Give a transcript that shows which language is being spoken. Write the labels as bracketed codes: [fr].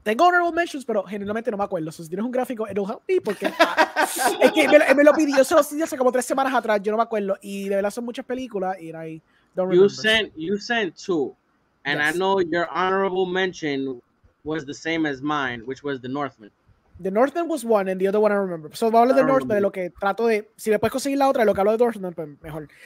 [es] Tengo honorable mentions, pero generalmente no me acuerdo. So, si tienes un gráfico, [en] it'll help me. [es] Porque es que me lo pidió, yo se lo pedí hace como 3 semanas atrás. Yo no me acuerdo. Y de verdad son muchas películas. Y ahí, [en] you sent two. And yes. I know your honorable mention was the same as mine, which was The Northman. The Northman was one, and the other one I remember. [es] So, vamos a hablar de Northman, de lo que trato de. Si le puedes conseguir la otra, lo que hablo de Northman, pues mejor.